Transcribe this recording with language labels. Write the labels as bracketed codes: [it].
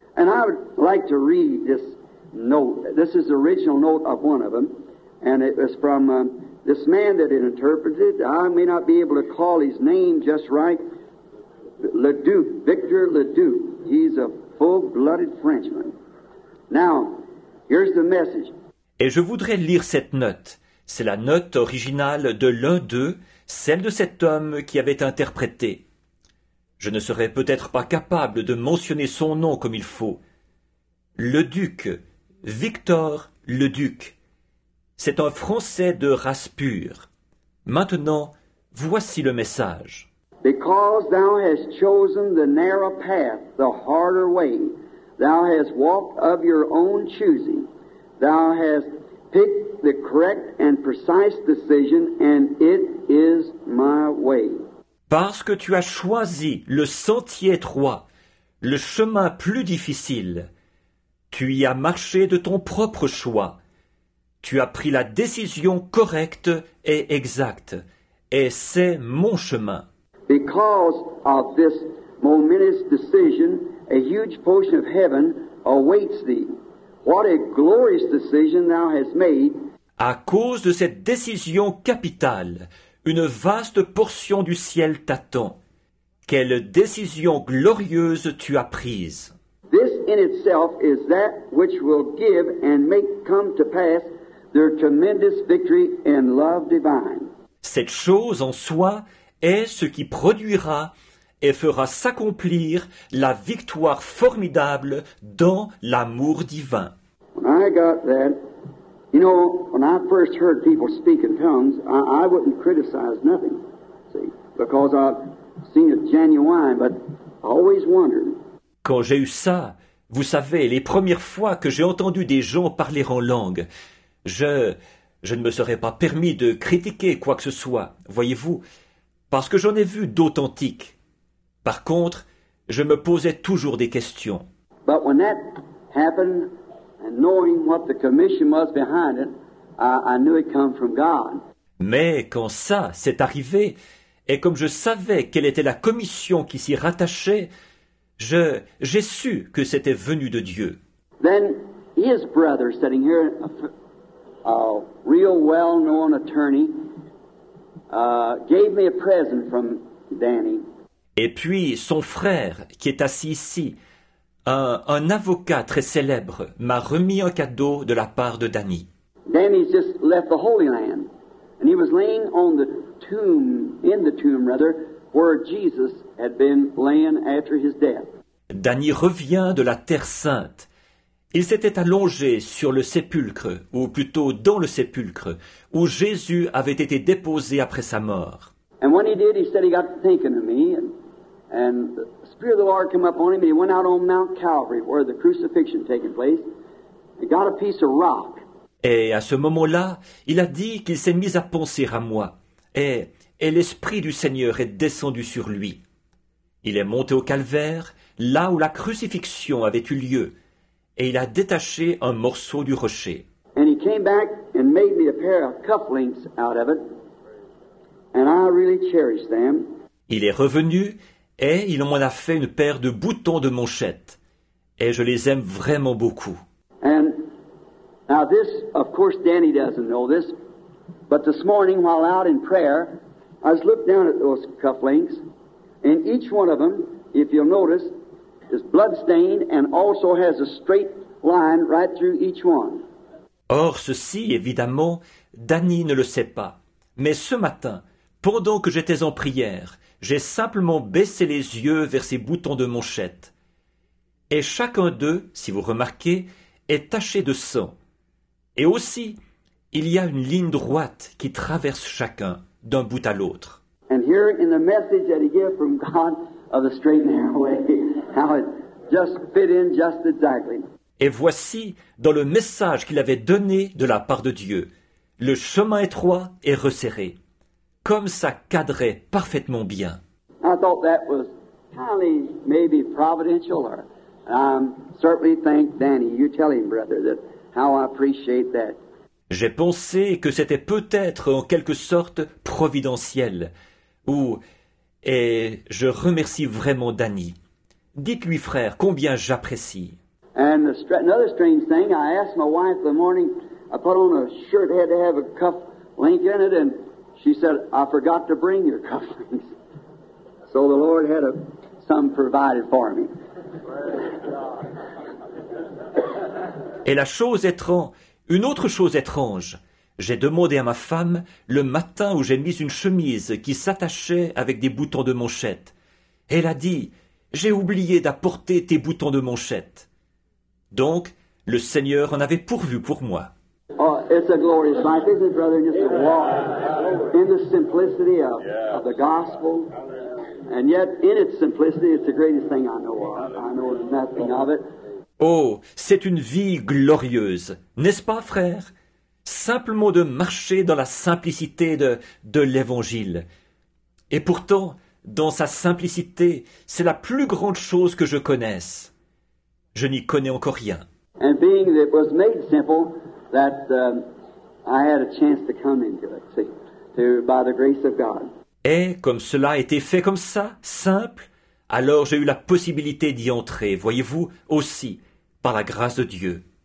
[en] And I would like to read this note. This is the original note of one of them, and it was from this man that it interpreted. I may not be able to call his name just right. Leduc, Victor Leduc. He's a full-blooded Frenchman. Now, here's the message. [fr] Et je voudrais lire cette note. C'est la note originale de l'un d'eux, celle de cet homme qui avait interprété. Je ne serais peut-être pas capable de mentionner son nom comme il faut. Leduc, Victor Leduc. C'est un Français de race pure. Maintenant, voici le message. [en] Because thou hast chosen the narrow path, the harder way, thou hast walked of your own choosing, thou hast picked the correct and precise decision, and it is my way. [fr] Parce que tu as choisi le sentier étroit, le chemin plus difficile, tu y as marché de ton propre choix, tu as pris la décision correcte et exacte, et c'est mon chemin. [en] Because of this momentous decision, a huge portion of heaven awaits thee. What a glorious decision thou hast made. [fr] À cause de cette décision capitale, une vaste portion du ciel t'attend. Quelle décision glorieuse tu as prise. [en] This in itself is that which will give and make come to pass their tremendous victory in love divine. [fr] Cette chose en soi est ce qui produira et fera s'accomplir la victoire formidable dans l'amour divin. [en] When I got that, you know, when I first heard people speak in tongues, I wouldn't criticize nothing, see, because I've seen it genuine, but I always wondered. [fr] Quand j'ai eu ça, vous savez, les premières fois que j'ai entendu des gens parler en langue, je ne me serais pas permis de critiquer quoi que ce soit, voyez-vous, parce que j'en ai vu d'authentiques. Par contre, je me posais toujours des questions. [en] But when that happened, and knowing what the commission was behind it, I knew it came from God. [fr] Mais quand ça s'est arrivé, et comme je savais quelle était la commission qui s'y rattachait, j'ai su que c'était venu de Dieu. [en] Then his brother sitting here, a real well-known attorney, gave me a present from Danny. [fr] Et puis son frère, qui est assis ici, un avocat très célèbre, m'a remis un cadeau de la part de Danny. [en] Danny's just left the Holy Land, and he was laying on the tomb, in the tomb rather, where Jesus had been laying after his death. [fr] Danny revient de la Terre Sainte. Il s'était allongé sur le sépulcre, ou plutôt dans le sépulcre, où Jésus avait été déposé après sa mort. [en] And when he did, he said he got thinking of me, and the Spirit of the Lord came up on him, and he went out on Mount Calvary, where the crucifixion taking place, and got a piece of rock. [fr] Et à ce moment-là, il a dit qu'il s'est mis à penser à moi, et l'Esprit du Seigneur est descendu sur lui. Il est monté au calvaire, là où la crucifixion avait eu lieu, et il a détaché un morceau du rocher. [en] And he came back and made me a pair of cufflinks out of it, and I really cherish them. [fr] Il est revenu et il m'en a fait une paire de boutons de manchette, et je les aime vraiment beaucoup. [en] And now this, of course, Danny doesn't know this, but this morning while out in prayer, I was looking down at those cufflinks, and each one of them, if you'll notice, is blood-stained and also has a straight line right through each one. [fr] Or, ceci, évidemment, Danny ne le sait pas. Mais ce matin, pendant que j'étais en prière, j'ai simplement baissé les yeux vers ces boutons de manchette. Et chacun d'eux, si vous remarquez, est taché de sang. Et aussi, il y a une ligne droite qui traverse chacun, d'un bout à l'autre. [en] And here in the message that he gave from God of the straight and narrow way, how it just fit in just exactly. [fr] Et voici dans le message qu'il avait donné de la part de Dieu, le chemin étroit et resserré, comme ça cadrait parfaitement bien. [en] I thought that was highly maybe providential, or certainly thank Danny. You tell him, brother, that how I appreciate that. [fr] J'ai pensé que c'était peut-être en quelque sorte providentiel, ou et je remercie vraiment Danny. Dites-lui, frère, combien j'apprécie. [en] And another strange thing, I asked my wife the morning, I put on a shirt, had to have a cuff link in it, and she said, I forgot to bring your cuff links. So the Lord had some provided for me. [fr] Et la chose étrange, une autre chose étrange, j'ai demandé à ma femme le matin où j'ai mis une chemise qui s'attachait avec des boutons de manchette. Elle a dit, j'ai oublié d'apporter tes boutons de manchette. Donc, le Seigneur en avait pourvu pour moi. [en] Oh, it's a glorious life, isn't it, brother? Just to walk in the simplicity of the gospel. And yet, in its simplicity, it's the greatest thing I know of. I know nothing of it. [fr] Oh, c'est une vie glorieuse, n'est-ce pas, frère? Simplement de marcher dans la simplicité de l'Évangile. Et pourtant, dans sa simplicité, c'est la plus grande chose que je connaisse. Je n'y connais encore rien. [en] And being that it was made simple, that I had a chance to come into it, see, to, by the grace of God. [fr] Et comme cela a été fait comme ça, simple, alors j'ai eu la possibilité d'y entrer, voyez-vous, aussi, par la grâce de Dieu.